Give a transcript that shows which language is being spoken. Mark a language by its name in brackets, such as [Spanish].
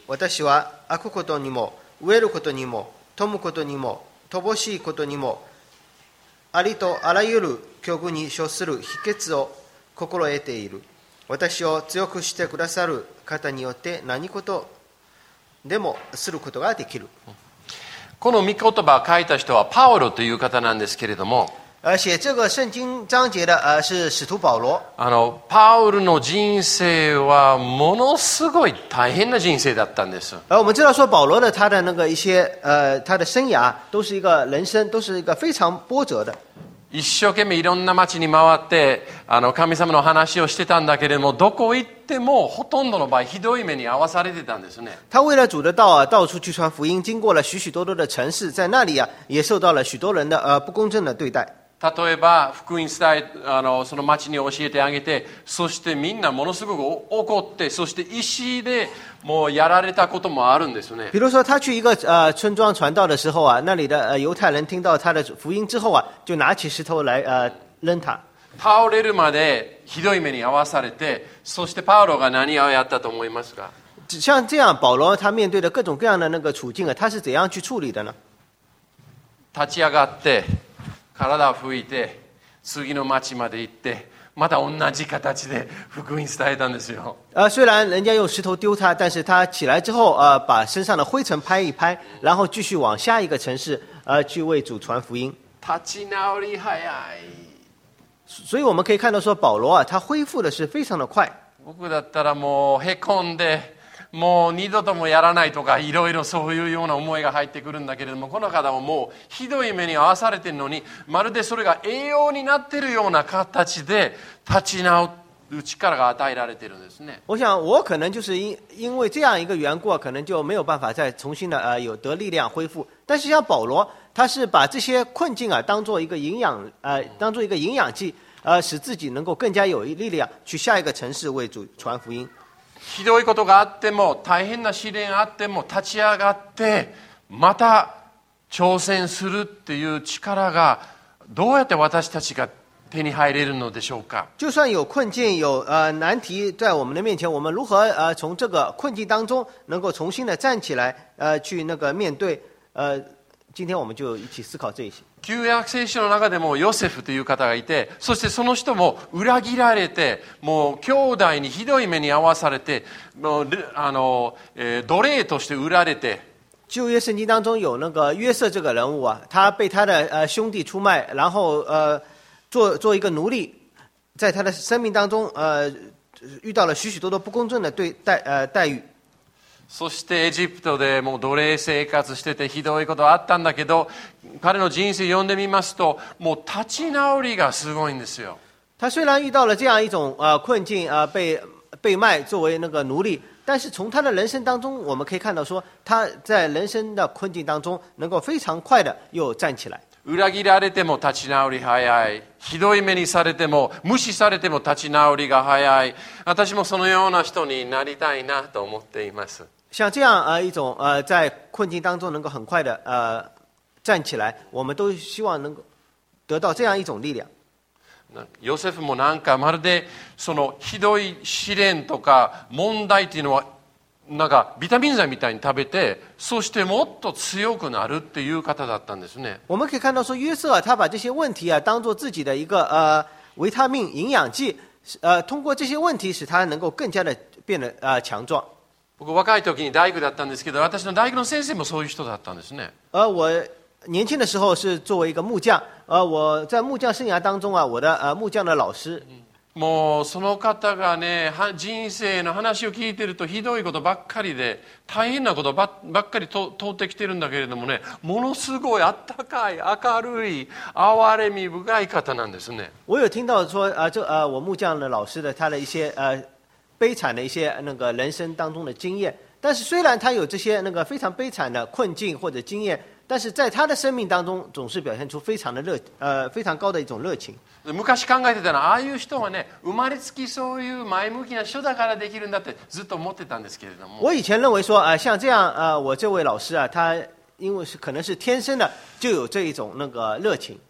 [Japanese] 私は悪ことにも飢えることにも富むことにも乏しいことにもありとあらゆる境遇に処する秘訣を心得ている。私を強くしてくださる方によって何事でもすることができる。この御言葉を書いた人はパウロという方なんですけれども、 [Chinese] 写这个圣经章节的是使徒保罗。 [Japanese] パウルの人生はものすごい大変な人生だったんです。 [Chinese] 我们知道说保罗的他的那个一些他的生涯都是一个人生都是一个非常波折的。 [Japanese] 一生懸命いろんな町に回って神様の話をしてたんだけれどもどこ行ってもほとんどの場合ひどい目に遭わされてたんですね。 [Chinese] 他为了主的道到处去传福音，经过了许许多多的城市，在那里也受到了许多人的不公正的对待。 [Japanese] 例えば福音伝えその町に教えてあげて、そしてみんなものすごく怒って、そして石でもうやられたこともあるんですね。 [Chinese] 比如说他去一个村庄传道的时候那里的犹太人听到他的福音之后就拿起石头来扔他。 [Japanese] 倒れるまでひどい目に遭わされて、そしてパウロが何をやったと思いますか。 [Chinese] 像这样保罗他面对的各种各样的那个处境他是怎样去处理的呢？ [Japanese] 立ち上がって体を拭いて次の町まで行って、また同じ形で福音伝えたんですよ。 [Chinese] 虽然人家用石头丢他，但是他起来之后，把身上的灰尘拍一拍，然后继续往下一个城市，去为主传福音。 [Japanese] 立ち直り早い。 [Chinese] 所以我们可以看到说，保罗他恢复的是非常的快。 [Japanese] 僕だったらもうへこんで、もう二度ともやらないとかいろいろそういうような思いが入ってくるんだけれども、この方ももうひどい目に遭わされてるのに、まるでそれが栄養になってるような形で立ち直る力が与えられてるんですね。 [Chinese] 我想我可能就是 因为这样一个缘故，可能就没有办法再重新的有得力量恢复。但是像保罗，他是把这些困境当做一个营养当做一个营养剂使自己能够更加有力量去下一个城市为主传福音。 [Japanese] ひどいことがあっても、大変な試練があっても、立ち上がってまた挑戦するっていう力がどうやって私たちが手に入れるのでしょうか。 [Chinese] 就算有困境、有難題在我们的面前、我们如何从这个困境当中能够重新的站起来、去那个面对、今天我们就一起思考这一些。 [Japanese] 旧約聖書の中でもヨセフという方がいて、そしてその人も裏切られて、もう兄弟にひどい目に遭わされて、もう奴隷として売られて。 [Chinese] 旧約聖经当中有那个约瑟这个人物他被他的兄弟出卖，然后做一个奴隶，在他的生命当中遇到了许许多多不公正的待遇。 [Japanese] そしてエジプトでもう奴隷生活しててひどいことあったんだけど、彼の人生読んでみますと、もう立ち直りがすごいんですよ。 [Chinese] 他虽然遇到了这样一种困境被卖作为那个奴隶，但是从他的人生当中，我们可以看到说，他在人生的困境当中能够非常快的又站起来。 [Japanese] 裏切られても立ち直り早い、ひどい目にされても無視されても立ち直りが早い。私もそのような人になりたいなと思っています。 [Chinese] 像这样一种在困境当中能够很快的站起来，我们都希望能够得到这样一种力量。 [Japanese] ヨセフもなんかまるでそのひどい試練とか問題というのはなんかビタミン剤みたいに食べて、そしてもっと強くなるっていう方だったんですね。 [Chinese] 我们可以看到说，约瑟他把这些问题啊当做自己的一个维他命营养剂，通过这些问题使他能够更加的变得强壮。 [Japanese] 僕若い時に大学だったんですけど、私の大学の先生もそういう人だったんですね。 [Chinese] 我年轻的时候是作为一个木匠，我在木匠生涯当中啊，我的木匠的老师。 [Japanese] もうその方がね、人生の話を聞いてるとひどいことばっかりで、大変なことばっかり通ってきてるんだけれどもね、ものすごいあったかい、明るい、憐れみ深い方なんですね。 [Chinese] 我有听到说，我木匠的老师的他的一些悲惨的一些那个人生当中的经验，但是虽然他有这些那个非常悲惨的困境或者经验，但是在他的生命当中总是表现出非常的热，非常高的一种热情。 [Japanese] 昔考えてたのは、ああいう人はね、生まれつきそういう前向きな人だからできるんだってずっと思ってたんですけれども。 [Chinese] 我以前认为说，像这样，我这位老师啊，他因为是可能是天生的就有这一种那个热情。